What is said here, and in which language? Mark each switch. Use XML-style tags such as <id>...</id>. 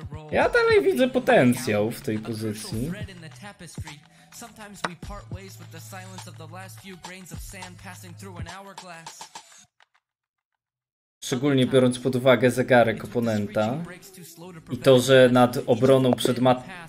<pl>Ja dalej widzę potencjał w tej pozycji.</pl> <en>Sometimes we part ways with the silence of the last few grains of sand passing through an hourglass.</en> <pl>Szczególnie biorąc pod uwagę zegarek oponenta i to, że nad obroną przed mat...</pl>